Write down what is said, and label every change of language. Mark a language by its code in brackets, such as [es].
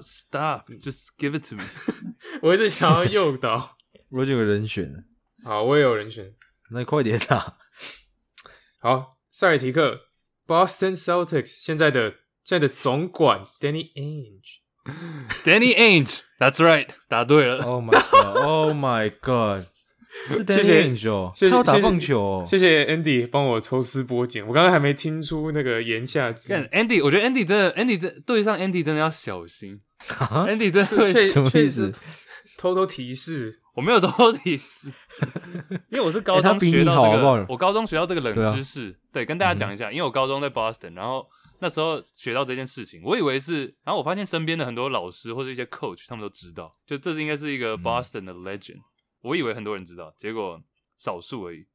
[en] Stop, just give it to me. [zh] 我一直想要诱导。我已经有人选了。好，我也有人选。那你快点啦。好，塞尔提克 ,Boston Celtics, 现在的总管 Danny Ainge。 [en] Danny Ainge, that's right, [zh] 答对了。 [en] Oh my god, oh my god. [zh] 是 Danny Ainge 哦，谢谢，他打棒球哦。谢谢 Andy 帮我抽丝剥茧，我刚刚还没听出那个言下之意。 Andy, 我觉得 Andy 真的 对上 Andy 真的要小心。 Andy 真的会什么意思？偷偷提示。我没有偷偷提示，因为我是高中学到这个，我高中学到这个冷知识，对，跟大家讲一下，因为我高中在 Boston， 然后那时候学到这件事情，我以为是，然后我发现身边的很多老师或者一些 coach 他们都知道，就这应该是一个 Boston 的 legend， 我以为很多人知道，结果少数而已。